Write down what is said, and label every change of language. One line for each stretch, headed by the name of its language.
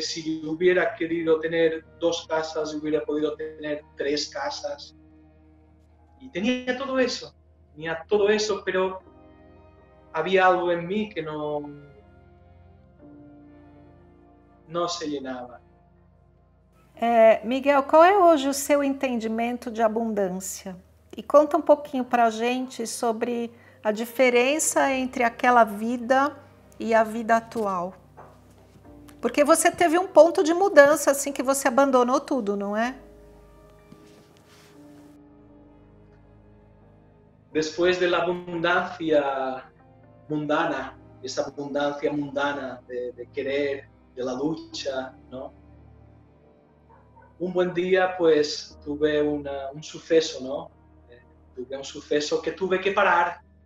Spanish: Si hubiera querido tener dos casas, hubiera podido tener tres casas. Y tenía todo eso, pero había algo en mí que no se llenaba.
Portuguese: Miguel, qual é hoje o seu entendimento de abundância? E conta um pouquinho para a gente sobre a diferença entre aquela vida e a vida atual. Porque você teve um ponto de mudança assim que você abandonou tudo, não é? Depois da abundância mundana, essa abundância mundana de querer, da luta, não?
Spanish: Un buen día, pues, tuve un suceso, ¿no? Tuve un suceso que tuve que parar.